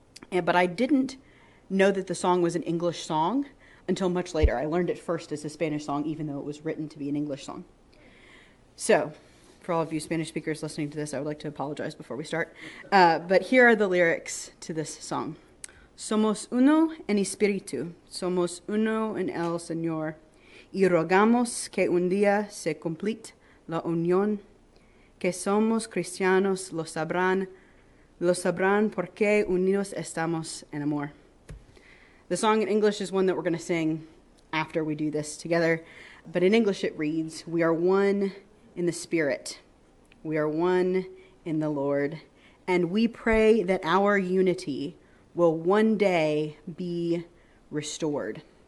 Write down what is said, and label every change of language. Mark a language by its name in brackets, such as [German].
[English] But I didn't know that the song was an English song until much later. I learned it first as a Spanish song, even though it was written to be an English song. So, for all of you Spanish speakers listening to this, I would like to apologize before we start. But here are the lyrics to this song. [Spanish] Somos uno en espíritu, somos uno en el Señor, y rogamos que un día se complete la unión, que somos cristianos lo sabrán porque unidos estamos en amor. [English] The song in English is one that we're going to sing after we do this together. But in English it reads, we are one in the Spirit. We are one in the Lord. And we pray that our unity will one day be restored.